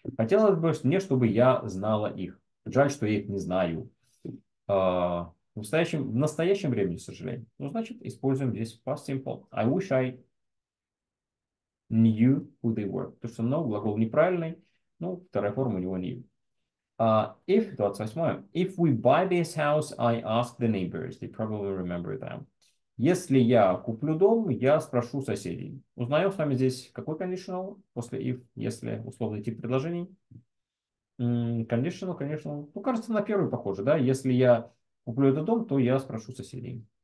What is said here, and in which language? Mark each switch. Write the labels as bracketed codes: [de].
[ru] Хотелось бы мне, чтобы я знала их. Жаль, что я их не знаю. В настоящем времени сожалеем. Ну, значит, используем здесь past simple. [en] I wish I knew who they were. [ru] То есть, no, глагол неправильный. Ну, вторая форма у него knew. [en] If, 28. If we buy this house, I ask the neighbors. They probably remember them. [ru] Если я куплю дом, я спрошу соседей. Узнаем с вами здесь, какой conditional после if, если условный тип предложений. Конечно, конечно. Ну, кажется, на первый похоже, да? Если я куплю этот дом, то я спрошу соседей.